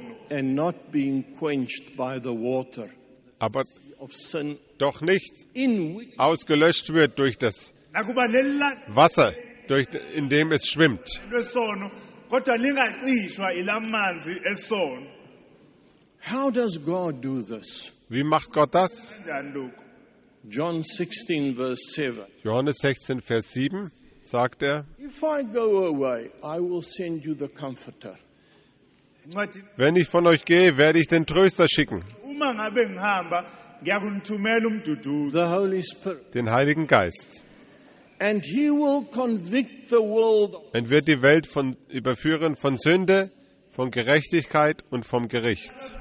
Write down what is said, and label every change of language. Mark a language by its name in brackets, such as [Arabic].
[English] And not being quenched by the water, [German] aber [English] of sin, [German] doch nicht ausgelöscht wird durch das Wasser, in dem es schwimmt. [English] How does God do this? [German] Wie macht Gott das? Johannes 16, Vers 7. Sagt er, [English] if I go away, I will send you the Comforter. [German] Wenn ich von euch gehe, werde ich den Tröster schicken. [English] The Holy Spirit. [German] Den Heiligen Geist. [English] And he will convict the world. [German] Und wird die Welt von überführen von Sünde, von Gerechtigkeit und vom Gericht.